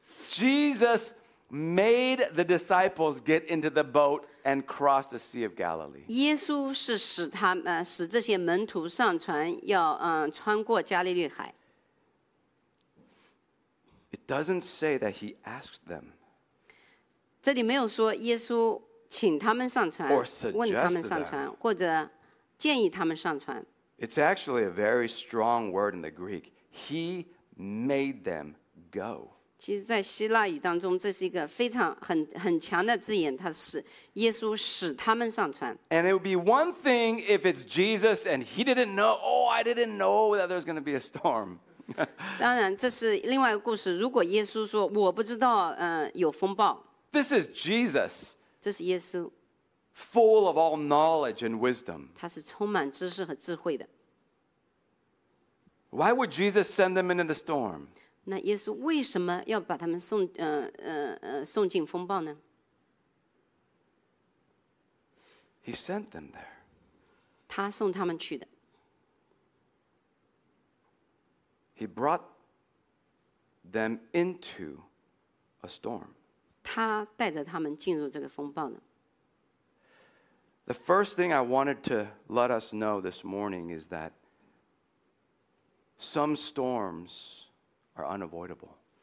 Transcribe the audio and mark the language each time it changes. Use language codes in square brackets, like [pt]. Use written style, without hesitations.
[en] Jesus made the disciples get into the boat and cross the Sea of Galilee. [zh] 耶稣是使这些门徒上船要穿过加利利海。 [en] It doesn't say that he asked them. [zh] 这里没有说耶稣请他们上船, [en] or suggest them. It's actually a very strong word in the Greek. He made them go. [zh] 其实在希腊语当中, 这是一个非常很强的字眼, 它是耶稣使他们上船。 [en] And it would be one thing if it's Jesus and he didn't know, oh, I didn't know that there was going to be a storm. [zh] 当然这是另外一个故事, 如果耶稣说, 我不知道, 有风暴。 [en] This is Jesus. [zh] 这是耶稣。 [en] Full of all knowledge and wisdom. [zh] 他是充满知识和智慧的。 [en] Why would Jesus send them into the storm? [zh] 那耶稣为什么要把他们送进风暴呢? [en] He sent them there. [zh] 他送他们去的。 [en] He brought them into a storm. [zh] 他带着他们进入这个风暴呢。 [en] The first thing I wanted to let us know this morning is that some storms are unavoidable.